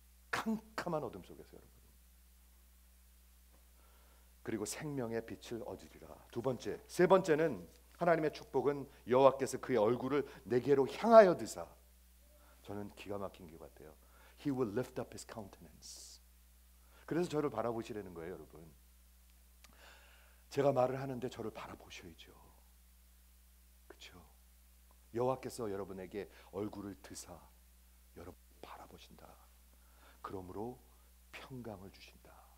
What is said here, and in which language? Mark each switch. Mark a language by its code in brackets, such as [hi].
[ko] 캄캄한 어둠 속에서, 여러분. 그리고 생명의 빛을 얻으리라. 두 번째, 세 번째는 하나님의 축복은 여호와께서 그의 얼굴을 내게로 향하여 드사. 저는 기가 막힌 것 같아요. [en] He will lift up his countenance. [ko] 그래서 저를 바라보시라는 거예요, 여러분. 제가 말을 하는데 저를 바라보셔야죠. 여호와께서 여러분에게 얼굴을 드사 여러분 바라보신다. 그러므로 평강을 주신다.